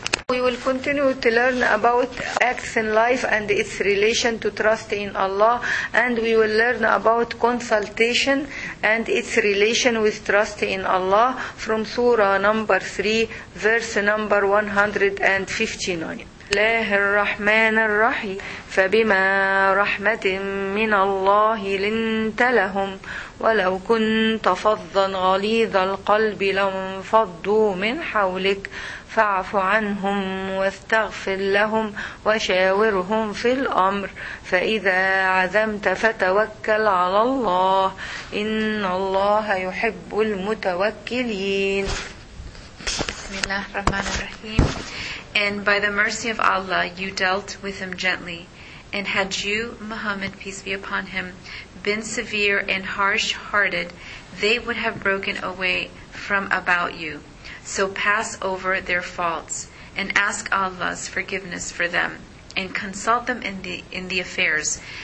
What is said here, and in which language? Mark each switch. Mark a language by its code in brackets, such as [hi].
[en] We will continue to learn about acts in life and its relation to trust in Allah, and we will learn about consultation and its relation with trust in Allah from Surah number 3, verse number 159. [ar] الله الرحمن الرحيم فبما رحمة من الله لنت لهم ولو كنت فظا غليظ القلب لانفضوا من حولك فاعف عنهم واستغفر لهم وشاورهم في الأمر فإذا عزمت فتوكل على الله إن الله يحب المتوكلين. بسم الله الرحمن الرحيم. [en] And by the mercy of Allah you dealt with him gently, and had you, Muhammad peace be upon him, been severe and harsh hearted, they would have broken away from about you. So pass over their faults and ask Allah's forgiveness for them and consult them in the affairs.